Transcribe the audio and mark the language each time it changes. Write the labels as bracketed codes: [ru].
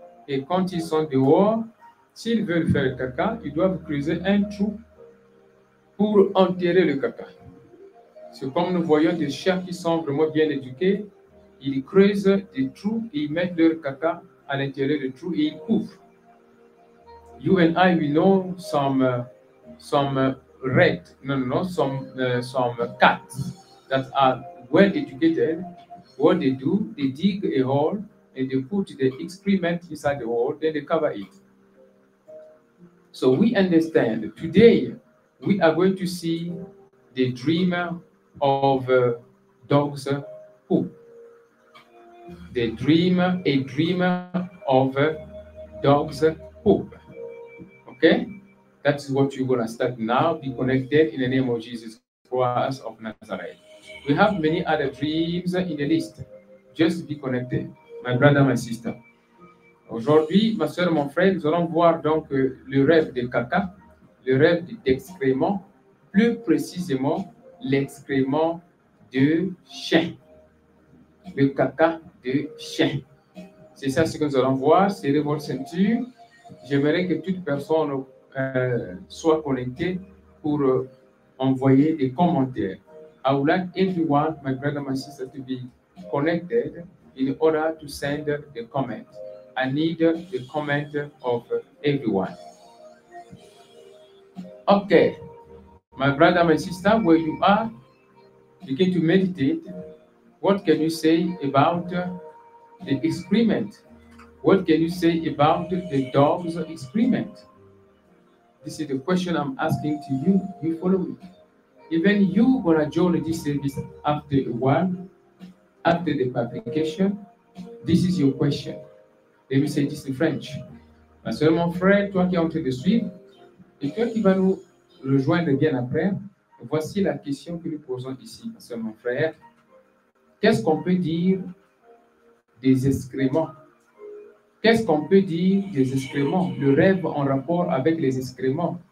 [fr] Et quand ils sont dehors, s'ils veulent faire le caca, ils doivent creuser un trou pour enterrer le caca. C'est comme nous voyons des chiens qui sont vraiment bien éduqués, ils creusent des trous et ils mettent leur caca à l'intérieur du trou et ils couvrent. [en] You and I, we know some rats, some cats that are well educated. What they do, they dig a hole and they put the excrement inside the hole, then they cover it. So we understand today we are going to see the dream of dog's poop. The dream, a dream of dog's poop. Okay, that's what you're going to start now. Be connected in the name of Jesus Christ of Nazareth. We have many other dreams in the list. Just be connected, my brother, my sister. [fr] Aujourd'hui, ma soeur, mon frère, nous allons voir donc le rêve de caca, le rêve d'excrément, plus précisément l'excrément de chien. Le caca de chien. C'est ça ce que nous allons voir, serrez votre ceinture. J'aimerais que toute personne soit connectée pour envoyer des commentaires. [en] I would like everyone, my brother, my sister, to be connected in order to send the comment. I need the comment of everyone. Okay, my brother, my sister, where you are, begin to meditate. What can you say about the excrement? What can you say about the dog's excrement? This is the question I'm asking to you. You follow me. Even you gonna join this service after a while, after the publication, this is your question. Let me say this in French. [fr] Ma soeur, mon frère, toi qui es en train de suivre, et toi qui vas nous rejoindre bien après, voici la question que nous posons ici, ma soeur, mon frère. Qu'est-ce qu'on peut dire des excréments? Qu'est-ce qu'on peut dire des excréments? Le rêve en rapport avec les excréments.